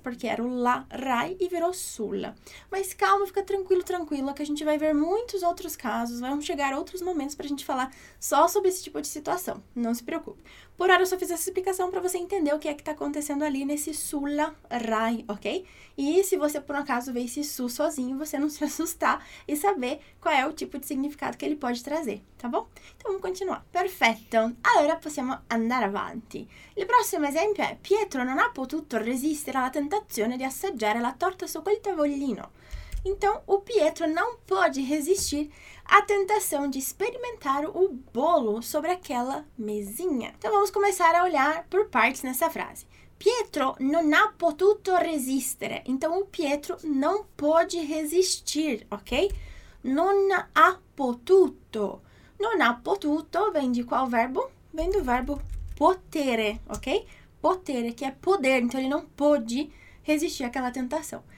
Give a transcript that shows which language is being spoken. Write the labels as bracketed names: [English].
[Portuguese] Porque era o la RAI e virou sulla. Mas calma, fica tranquilo, tranquila, que a gente vai ver muitos outros casos, vão chegar outros momentos para a gente falar só sobre esse tipo de situação. Não se preocupe. Por hora eu só fiz essa explicação para você entender o que é que está acontecendo ali nesse sulla RAI, ok? E se você por um acaso ver esse su sozinho, você não se assustar e saber qual é o tipo de significado que ele pode trazer, tá bom? Então vamos continuar. [Italian] Perfetto. Allora possiamo andare avanti. Il prossimo esempio. Cioè, Pietro non ha potuto resistere alla tentazione di assaggiare la torta su quel tavolino. [Portuguese] Então, o Pietro não pode resistir à tentação de experimentar o bolo sobre aquela mesinha. Então, vamos começar a olhar por partes nessa frase. [Italian] Pietro non ha potuto resistere. [Portuguese] Então, o Pietro não pode resistir, ok? [Italian] Non ha potuto. Non ha potuto [Portuguese] vem de qual verbo? Vem do verbo potere, ok? Potere, que é poder, então ele não pôde resistir àquela tentação.